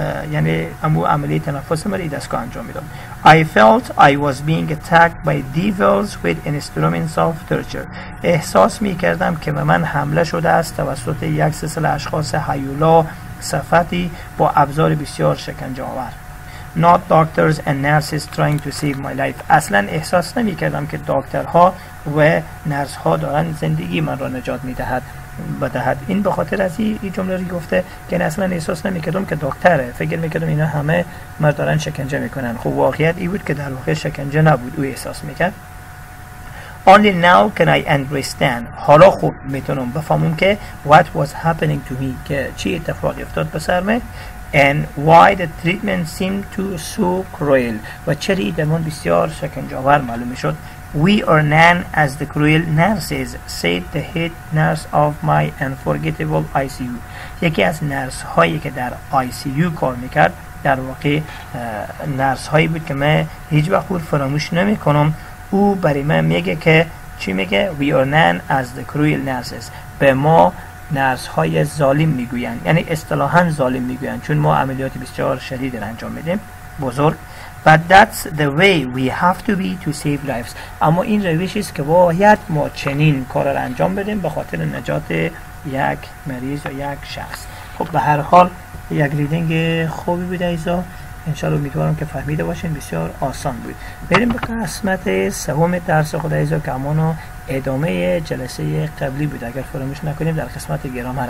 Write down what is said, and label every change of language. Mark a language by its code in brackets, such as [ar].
[fa] یعنی امو عملی تنفس مری دستگاه انجام میدم. [en] I felt I was being attacked by devils with instruments of torture. [fa] احساس میکردم که به من حمله شده است توسط یک سلسله اشخاص هیولا صفتی با ابزار بسیار شکنجه آور. [en] Not doctors and nurses trying to save my life. [fa] اصلا احساس نمی کردم که دکترها و نرسها دارن زندگی من را نجات می دهد و دهد. این به خاطر از این جمله رو گفته که اصلا احساس نمی کردم که دکتره. فکر می کردم اینا همه من دارن شکنجه می کنن. خب واقعیت این بود که در واقع شکنجه نبود. او احساس می کرد. [en] Only now can I understand. [fa] حالا خوب می تونم بفهمم که [en] what was happening to me. [fa] که چی اتفاقی افتاد به سر من. [en] And why the treatment seemed to so cruel. [fa] و چرا این درمان بسیار شکنجه‌آور معلوم شد. [en] We are known as the cruel nurses, said the head nurse of my unforgettable ICU. [fa] یکی از نرس هایی که در ICU کار میکرد در واقع نرس هایی بود که من هیچ وقت خود فراموش نمی کنم. او برای من میگه که چی میگه؟ [en] We are known as the cruel nurses. [fa] به ما نرس های ظالم میگویند، یعنی اصطلاحا ظالم میگویند چون ما عملیات بسیار شدید را انجام میدیم بزرگ. [en] But that's the way we have to be to save lives. [fa] اما این روشی است که باید ما چنین کار را انجام بدیم به خاطر نجات یک مریض یا یک شخص. خب به هر حال یک ریدینگ خوبی بود ایزا، انشالله امیدوارم که فهمیده باشین، بسیار آسان بود. بریم به قسمت سوم درس خود ایزا که همونو ادامه جلسه قبلی بود اگر فراموش نکنیم در قسمت گرامر.